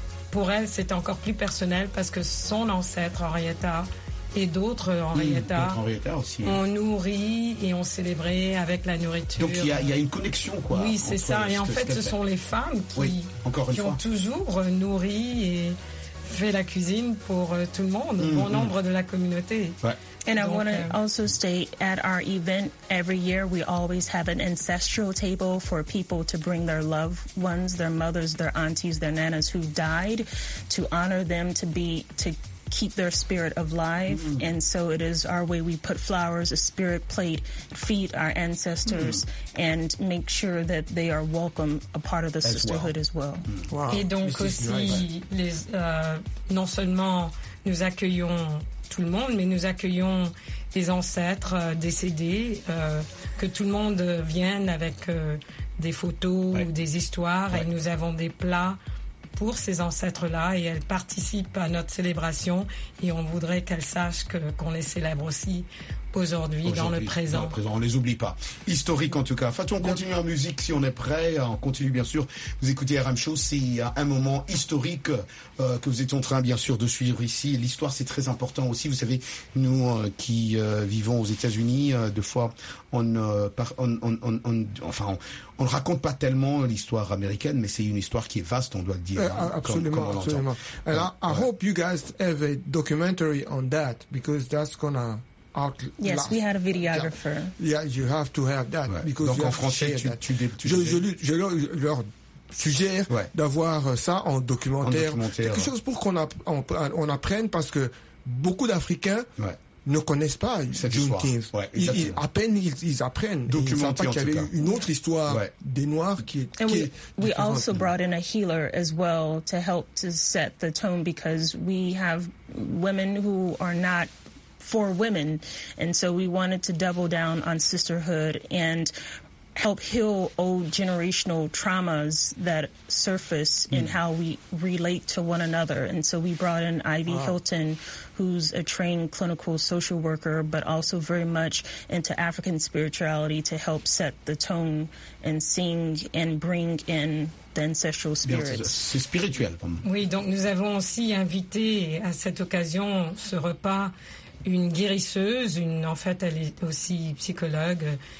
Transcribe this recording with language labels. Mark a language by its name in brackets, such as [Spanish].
[French] Pour elle, c'est encore plus personnel parce que son ancêtre, Henrietta, et d'autres Henrietta, ont nourri et ont célébré avec la nourriture. Donc, il y a une connexion, quoi. Oui, c'est ça. Et en fait, ce sont les femmes qui ont toujours nourri et fait la cuisine pour tout le monde, bon nombre de la communauté. Ouais. [English] And I want to also state, at our event every year, we always have an ancestral table for people to bring their loved ones, their mothers, their aunties, their nanas who died, to honor them, to keep their spirit alive. Mm-hmm. And so it is our way. We put flowers, a spirit plate, feed our ancestors, and make sure that they are welcome, a part of the sisterhood as well. Mm-hmm. [French] Wow. Et donc non seulement nous accueillons tout le monde, mais nous accueillons les ancêtres décédés, que tout le monde vienne avec des photos ou des histoires, et nous avons des plats pour ces ancêtres-là, et elles participent à notre célébration, et on voudrait qu'elles sachent qu'on les célèbre aussi aujourd'hui, dans le présent. Dans le présent, on les oublie pas. Historique, en tout cas. Fatou, on continue en musique si on est prêt. On continue, bien sûr. Vous écoutez RM Show, c'est un moment historique que vous êtes en train, bien sûr, de suivre ici. L'histoire, c'est très important aussi. Vous savez, nous qui vivons aux États-Unis, deux fois, on ne raconte pas tellement l'histoire américaine, mais c'est une histoire qui est vaste, on doit le dire. Absolument, absolument. [English] And I hope you guys have a documentary on that, because that's gonna... Yes, we had a videographer. Yeah, you have to have that. Ouais. Because [French] donc [English] you [French] en français, tu je leur suggère d'avoir ça en documentaire. Quelque chose pour qu'on apprenne, parce que beaucoup d'Africains ne connaissent pas Juneteenth. Ouais, à peine ils apprennent. Ils ne savent pas qu'il y avait une autre histoire des Noirs qui est. [English] And we also brought in a healer as well to help to set the tone, because we have women who are not for women, and so we wanted to double down on sisterhood and help heal old generational traumas that surface in how we relate to one another. And so we brought in Ivy Hilton, who's a trained clinical social worker, but also very much into African spirituality, to help set the tone and sing and bring in the ancestral spirits. [French] Bien, c'est spirituel. Oui, donc nous avons aussi invité à cette occasion, ce repas, une guérisseuse, elle est aussi psychologue.